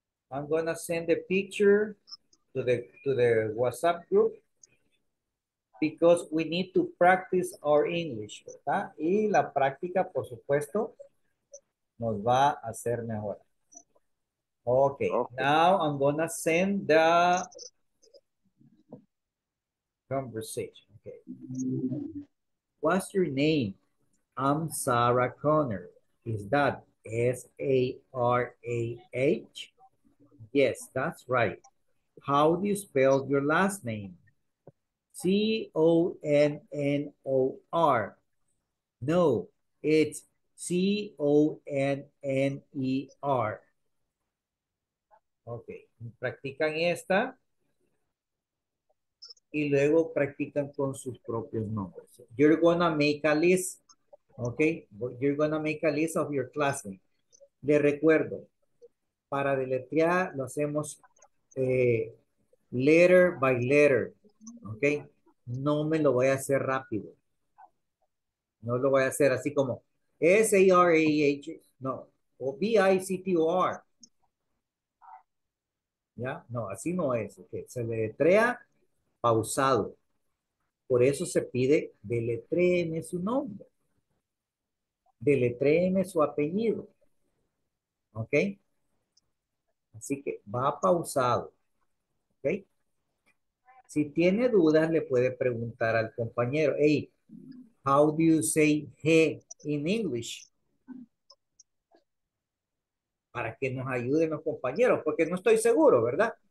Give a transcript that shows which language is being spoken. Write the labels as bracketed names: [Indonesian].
[English] I'm going to send the picture to the WhatsApp group because we need to practice our English, [Spanish] ¿verdad? Y la práctica, por supuesto, nos va a hacer mejor. [English] Okay. Now I'm going to send the conversation. Okay. What's your name? I'm Sarah Connor. Is that S-A-R-A-H. Yes, that's right. How do you spell your last name? C-O-N-N-O-R. No, it's C-O-N-N-E-R. [Spanish] Ok, practican esta y luego practican con sus propios nombres. [English] You're gonna make a list. Ok, you're gonna make a list of your classmates. [Spanish] Les recuerdo, para deletrear lo hacemos [English] letter by letter. [Spanish] Ok, no me lo voy a hacer rápido. No lo voy a hacer así como S-A-R-A-H, no, o B-I-C-T-O-R. ¿Ya? No, así no es. Okay. Se deletrea pausado. Por eso se pide deletréeme su nombre. Deletréeme su apellido. ¿Ok? Así que va pausado. ¿Ok? Si tiene dudas, le puede preguntar al compañero. [English] Hey, how do you say he in English? [Spanish] Para que nos ayuden los compañeros, porque no estoy seguro, ¿verdad?